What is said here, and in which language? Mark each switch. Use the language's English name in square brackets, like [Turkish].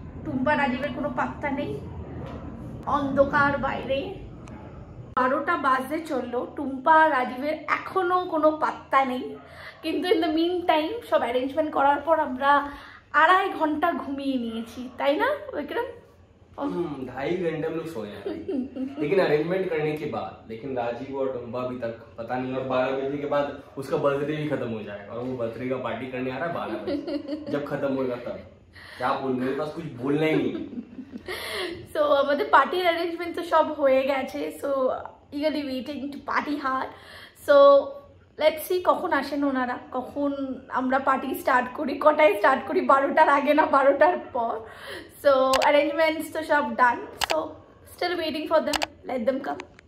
[Bangla] টুম্পা রাজীবের কোনো পাত্তা নেই, অন্ধকার বাইরে। 12টা বাজে চললো, টুম্পা রাজীবের এখনো কোনো পাত্তা নেই, কিন্তু [English] in the mean time [Bangla] সব অ্যারেঞ্জমেন্ট করার পর আমরা আড়াই ঘন্টা ঘুমিয়ে নিয়েছি, তাই না বিক্রম? [Hindi] ढाई घंटे हम लोग सोए हैं, लेकिन अरेंजमेंट करने के बाद, लेकिन राजीव और टुम्बा अभी तक पता नहीं, और 12 बजे के बाद उसका बर्थडे भी खत्म हो जाएगा, और वो बर्थडे का पार्टी करने आ रहा है 12 बजे, जब खत्म होगा तब क्या बोल, मेरे पास कुछ बोलना ही नहीं। सो मतलब पार्टी अरेंजमेंट तो सब हो गया, सो [English] eagerly waiting to party hard so let's see [Bangla] কখন আসেন ওনারা কখন আমরা পার্টি স্টার্ট করি কটায় স্টার্ট করি বারোটার আগে না বারোটার পর [English] so arrangements তো সব done so still waiting for them let them come